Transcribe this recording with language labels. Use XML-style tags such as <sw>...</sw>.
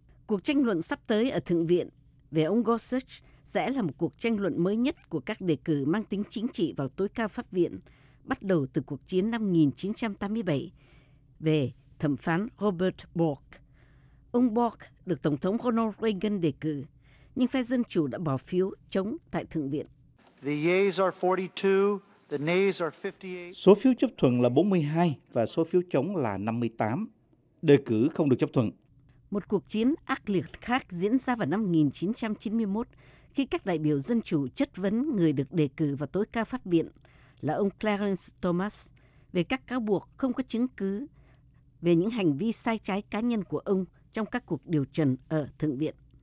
<vi>Cuộc tranh luận sắp tới ở Thượng viện về ông Gorsuch sẽ là một cuộc tranh luận mới nhất của các đề cử mang tính chính trị vào tối cao pháp viện, bắt đầu từ cuộc chiến năm 1987 về thẩm phán Robert Bork. Ông Bork được Tổng thống Ronald Reagan đề cử, nhưng phe Dân Chủ đã bỏ phiếu chống tại Thượng viện.</vi> <en>The yeas are 42, the nays are 58.</en> <vi>Số phiếu chấp thuận là 42 và số phiếu chống là 58. Đề cử không được chấp thuận. Một cuộc chiến ác liệt khác diễn ra vào năm 1991 khi các đại biểu Dân Chủ chất vấn người được đề cử vào tối cao pháp viện là ông Clarence Thomas về các cáo buộc không có chứng cứ về những hành vi sai trái cá nhân của ông trong các cuộc điều trần ở Thượng viện.</vi>